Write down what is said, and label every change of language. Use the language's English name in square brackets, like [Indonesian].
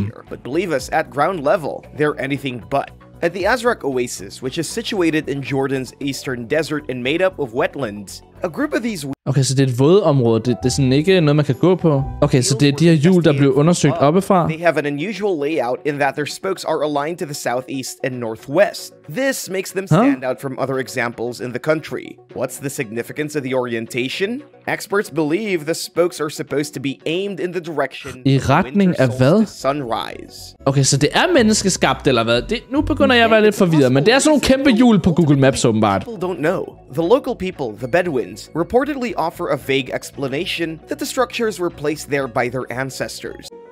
[English] But believe us, at ground level, they're anything but. At the Azraq Oasis, which is situated in Jordan's eastern desert and made up of wetlands, a group of these... [Danish] Okay, så det er et vådområde. Det er sådan ikke noget, man kan gå på. Okay, så det er de her hjul, der blev undersøgt oppefra. [English] They have an unusual layout in that their spokes are aligned to the southeast and northwest. This makes them stand out from other examples in the country. What's the significance of the orientation? Experts believe the spokes are supposed to be aimed in the direction of sunrise. [Danish] Okay, så det er menneskeskabt eller hvad? Nu begynder jeg at være lidt forvirret, men det er sådan nogle kæmpe hjul på Google Maps åbenbart. [English] People don't know. The local people, the Bedouins, reportedly offer a vague explanation that the structures were placed there by their ancestors.